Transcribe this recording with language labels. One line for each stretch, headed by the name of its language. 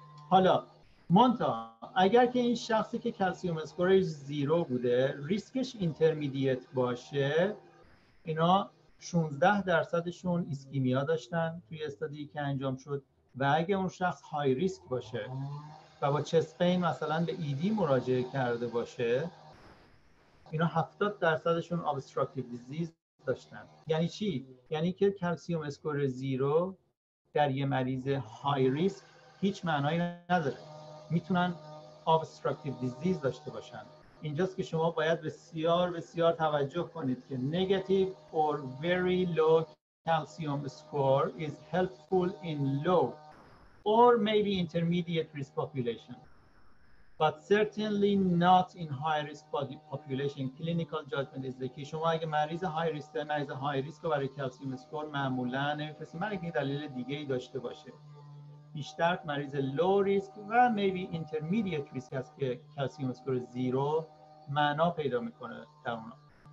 Persian: حالا منتها اگر که این شخصی که کلسیوم اسکورش زیرو بوده ریسکش اینترمیدیت باشه اینا 16%شون ایسکیمیا داشتن توی استادی که انجام شد و اگه اون شخص های ریسک باشه و با چست پین مثلا به ایدی مراجعه کرده باشه اینا 70%شون
English: obstructive disease
Persian: داشتن. یعنی چی؟ یعنی که کلسیوم اسکور زیرو در یه مریض های ریسک هیچ معنایی نداره میتونن
English: obstructive disease
Persian: داشته باشن. اینجاست که شما باید بسیار بسیار توجه کنید که
English: negative or very low calcium score is helpful in low or maybe intermediate risk population but certainly not in high risk population. Clinical judgment is the key.
Persian: شما اگه مریض های ریسک رو برای calcium score معمولا نمیفرستی من اگه دلیل دیگه ای داشته باشه بیشتر مریض low risk و
English: maybe intermediate risk
Persian: هست که
English: calcium score zero
Persian: معنا پیدا میکنه در اونا.